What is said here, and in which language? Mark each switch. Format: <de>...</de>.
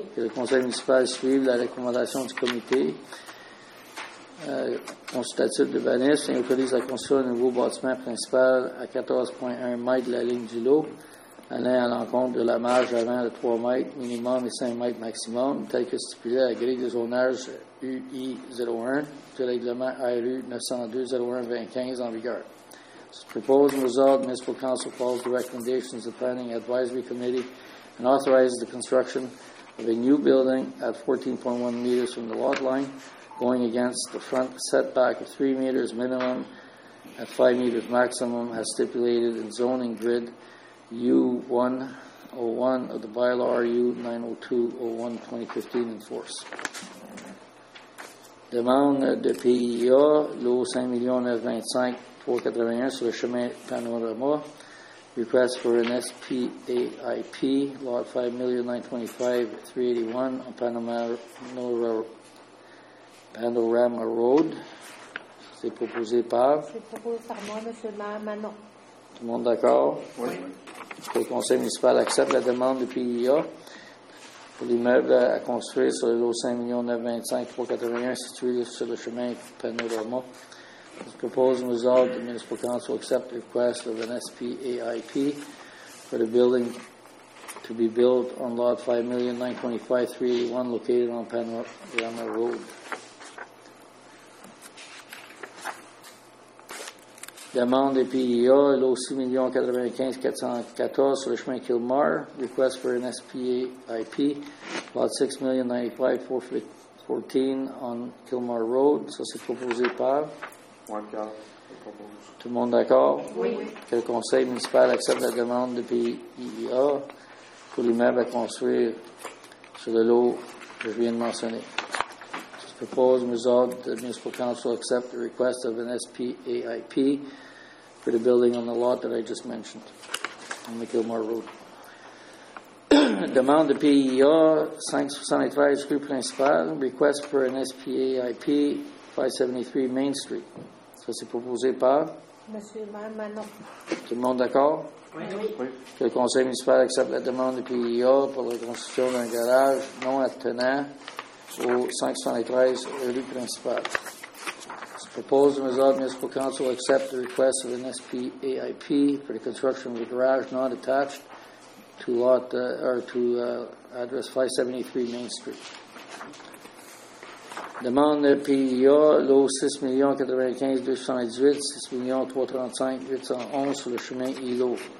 <fr>Que le conseil municipal suive la recommandation du comité consultatif de Banis et autorise la construction d'un nouveau bâtiment principal à 14,1 mètres de la ligne du lot. Allant à l'encontre de la marge avant de 3 mètres minimum et 5 mètres maximum, tel que stipulé à la grille de zonage UI01 du règlement RU 902-01-2015 en vigueur.</fr> <en>This proposed result, Municipal Council follows the recommendations of the Planning Advisory Committee and authorizes the construction of a new building at 14.1 meters from the lot line, going against the front setback of 3 meters minimum at 5 meters maximum as stipulated in zoning grid U101 of the bylaw RU 90201 2015 in force.</en> <fr>Demande de PIA, lot 5,925,481 sur le chemin Panorama.</fr> <en>Request for an SPAIP, lot 5,925,381 on Panorama Road.</en> <fr>C'est proposé par. C'est proposé par moi, Monsieur Manon. Tout le monde d'accord? Oui. Le conseil municipal accepte la demande du PIA pour l'immeuble à construire sur le lot 5,925,381 situé sur le chemin Panorama.</fr> <en>This proposed result, the municipal council accept the request of an SPAIP for the building to be built on lot 5,925,381 located on Panorama Road.</en> <fr>Demande des PIA, lot 6,095,414 sur le chemin Kilmar.</fr> <en>Request for an SPAIP, lot 6,095,414 on Kilmar Road.</en> <fr>Ça, c'est proposé par? Tout le monde d'accord? Oui. Que le conseil municipal accepte la demande des PIA pour l'immeuble à construire sur le lot que je viens de mentionner. Ça, c'est proposé,</fr> <en>result, the municipal council accept the request of an SPAIP for the building on the lot that I just mentioned on the Kilmar Road.</en> <fr>Demande de PIA 573 rue principale,</fr> <en>request for an SPAIP 573 Main Street.</en> <fr>Ça, c'est proposé par? Monsieur Manon. Tout le monde d'accord? Oui. Que le conseil municipal accepte la demande de PIA pour la construction d'un garage non attenant au 573 rue principale.</fr> <en>Proposed and resolved, Municipal Council accept the request of an SPAIP for the construction of a garage not attached to lot address 573 Main Street.</en> <fr>Demande de PIA, lot 6,095,218, 6,335,811 sur le chemin ILO.</fr>